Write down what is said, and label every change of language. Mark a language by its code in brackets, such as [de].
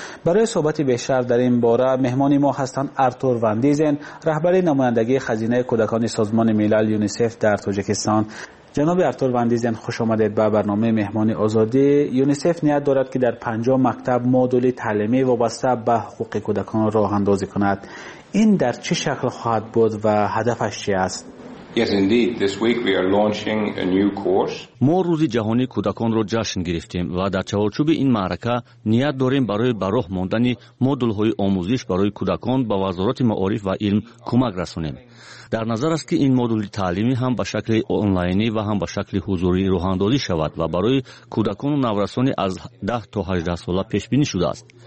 [fa] برای صحبت بیشتر در این باره مهمان ما هستند آرتور واندیزن، رهبر نمایندگی خزینه کودکان سازمان ملل یونیسف در تاجیکستان. جناب آرتور واندیزن خوش آمدید به برنامه مهمان آزادی. یونیسف نیت دارد که در 50 مکتب مدل تعلیمی وابسته به حقوق کودکان را راه اندازی کند. این در چه شکل خواهد بود و هدفش چی است؟ [en] Yes, indeed. This week we are launching a new course. [fa] ما روزی جهانی کودکان را جشن گرفتیم و در چارچوب این معرکه نیت داریم برای براه ماندن مدل‌های آموزش برای کودکان به وزارت معارف و علم کمک رسانیم. در نظر است که این مدل تعلیمی هم به شکل آنلاینی و هم به شکل حضوری راه اندازی شود و برای کودکان و نورسان از 10 تا 18 ساله پیش بینی شده است.